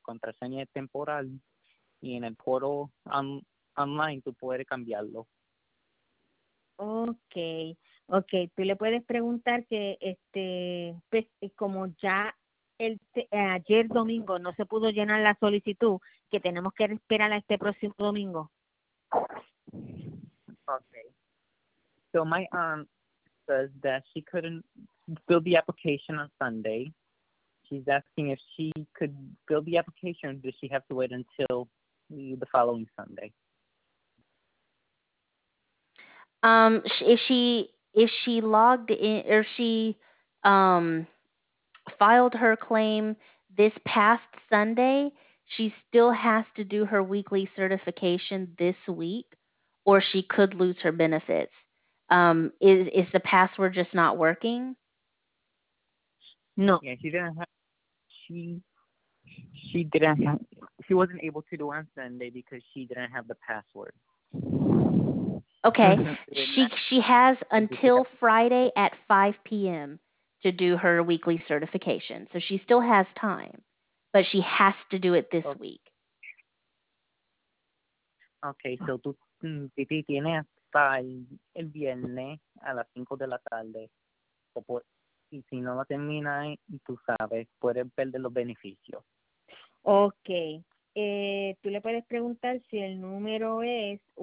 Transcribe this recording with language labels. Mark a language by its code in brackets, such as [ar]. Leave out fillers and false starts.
[es] Contraseña es temporal. Y en el portal online tú puedes cambiarlo. [en] Ok. [es] Ok, tú le puedes preguntar que, este, pues, como ya ayer domingo no se pudo llenar la solicitud, que tenemos que esperar a este próximo domingo. [en] Ok. So my aunt says that she couldn't fill the application on Sunday. She's asking if she could fill the application, or does she have to wait until the following Sunday? If she logged in, or she filed her claim this past Sunday, she still has to do her weekly certification this week, or she could lose her benefits. Is the password just not working? No. Yeah, she didn't have, she didn't have, she wasn't able to do it on Sunday because she didn't have the password. Okay. she has until Friday at 5 p.m. to do her weekly certification. So she still has time, but she has to do it this week. Okay, so [es] tú, Titi, tienes hasta el viernes a las 5 de la tarde. Y si no la terminas, tú sabes, puedes perder los beneficios. [en] Okay. [es] Tú le puedes preguntar si el número es